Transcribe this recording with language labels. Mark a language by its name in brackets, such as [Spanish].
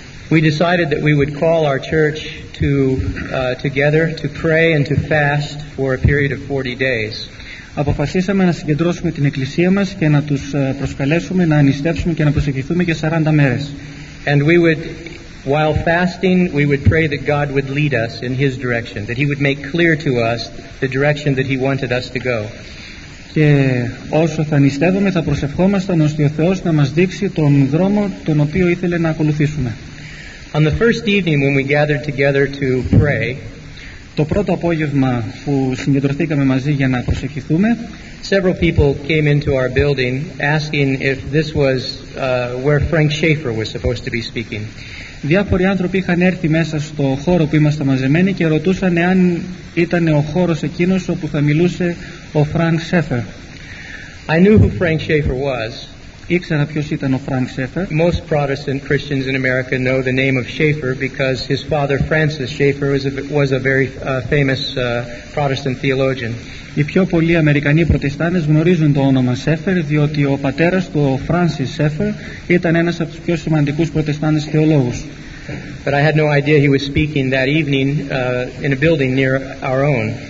[English] We decided that we would call our church to together to pray and to fast for a period of 40 days. [Greek] Αποφασίσαμε να συγκεντρώσουμε την εκκλησία μας και να τους προσκαλέσουμε να ανιστέψουμε και να προσευχηθούμε για 40 μέρες. [English] And we would, while fasting, we would pray that God would lead us in His direction, that He would make clear to us the direction that He wanted us to go. [Greek] Και όσο θα νηστεύουμε, θα προσευχόμασταν ώστε ο Θεός να μας δείξει τον δρόμο τον οποίο ήθελε να ακολουθήσουμε. [English] On the first evening when we gathered together to pray, [Greek] το πρώτο απόγευμα που συγκεντρωθήκαμε μαζί για να προσευχηθούμε, [English] several people came into our building asking if this was where Frank Schaefer was supposed to be speaking. [Greek] Διάφοροι άνθρωποι είχαν έρθει μέσα στο χώρο που είμαστε μαζεμένοι και ρωτούσαν αν ήταν ο χώρος εκείνος όπου θα μιλούσε ο Frank Schaefer. [English] I knew who Frank Schaefer was. [Greek] Ήξερα ποιος ήταν ο Frank Schaefer. [English] Most Protestant Christians in America know the name of Schaefer because his father Francis Schaefer was a very famous Protestant theologian. [Greek] Οι πιο πολλοί Αμερικανοί Προτεστάντες γνωρίζουν το όνομα Schaefer διότι ο πατέρας του, ο Francis Schaefer, ήταν ένας από τους πιο σημαντικούς Προτεστάντες θεολόγους. [English] But I had no idea he was speaking that evening in a building near our own.